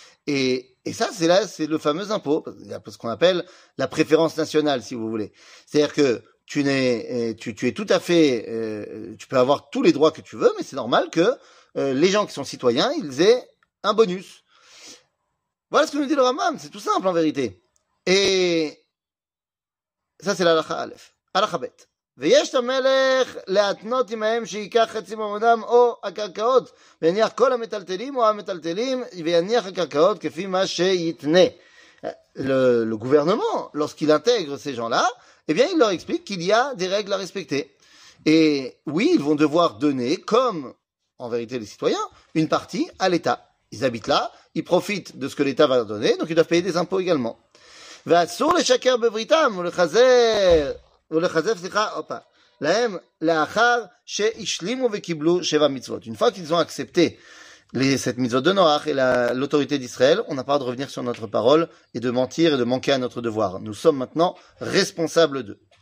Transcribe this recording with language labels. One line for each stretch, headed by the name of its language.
French: Et ça, c'est le fameux impôt, ce qu'on appelle la préférence nationale, si vous voulez. C'est-à-dire que tu peux avoir tous les droits que tu veux, mais c'est normal que les gens qui sont citoyens, ils aient un bonus. Voilà ce que nous dit le Rambam, c'est tout simple en vérité. Et ça, c'est l'alakha aleph, alakha bet.
Hebrew: ויש את המלך להתנות עמהם שיקח חצי מעמדם או הקרקעות ויניח כל המטלטלים או המטלטלים ויניח הקרקעות כפי מה שיתנה.
French: Le gouvernement, lorsqu'il intègre ces gens-là, eh bien, il leur explique qu'il y a des règles à respecter. Et oui, ils vont devoir donner, comme en vérité les citoyens, une partie à l'État. Ils habitent là, ils profitent de ce que l'État va leur donner, donc ils doivent payer des impôts également.
Hebrew: ואסור לשקר בבריתם ולחזר.
French: Une fois qu'ils ont accepté les sept mitzvot de Noach et l'autorité d'Israël, on n'a pas le droit de revenir sur notre parole et de mentir et de manquer à notre devoir. Nous sommes maintenant responsables d'eux.